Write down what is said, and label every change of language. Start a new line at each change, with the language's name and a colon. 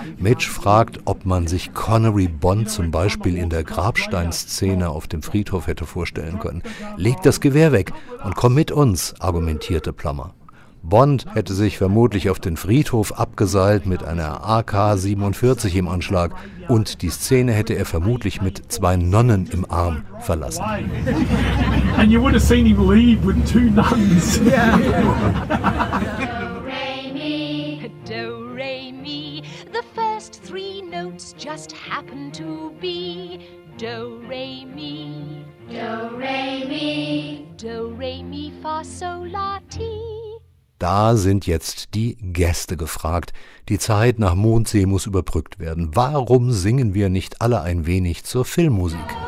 German: Mitch fragt, ob man sich Connery Bond zum Beispiel in der Grabsteinszene auf dem Friedhof hätte vorstellen können. Leg das Gewehr weg und komm mit uns, argumentierte Plummer. Bond hätte sich vermutlich auf den Friedhof abgeseilt mit einer AK-47 im Anschlag und die Szene hätte er vermutlich mit zwei Nonnen im Arm verlassen.
English: And you would have seen him leave with two nuns. Do re mi. The first three notes just happen to be do re mi. Do re mi. Do re mi fa sol la ti.
German: Da sind jetzt die Gäste gefragt. Die Zeit nach Mondsee muss überbrückt werden. Warum singen wir nicht alle ein wenig zur Filmmusik?